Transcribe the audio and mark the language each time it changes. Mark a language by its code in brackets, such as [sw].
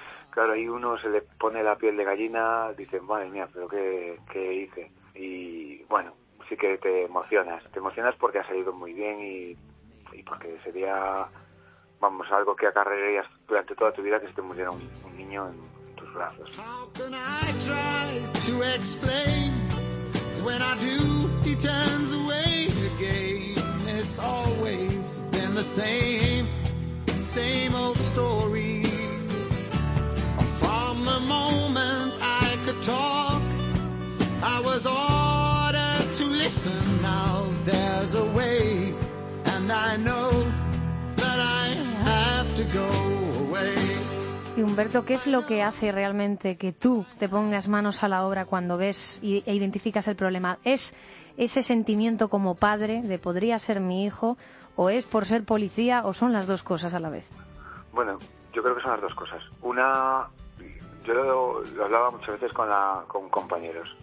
[es] Claro, ahí uno se le pone la piel de gallina, dice, madre mía, pero ¿qué hice? Y bueno, sí que te emocionas porque ha salido muy bien y porque sería vamos, algo que acarrearías durante toda tu vida, que se te muriera un niño en tus brazos. [en] How can I try to explain when I do he turns away again? It's always been the same, same old story. From the moment I could talk, I was ordered to listen. Now there's a way, and I know that I have to go away. [es] Y Humberto, ¿qué es lo que hace realmente que tú te pongas manos a la obra cuando ves e identificas el problema? ¿Es ese sentimiento como padre de podría ser mi hijo, o es por ser policía, o son las dos cosas a la vez? Bueno, yo creo que son las dos cosas. Una, yo lo hablaba muchas veces con compañeros.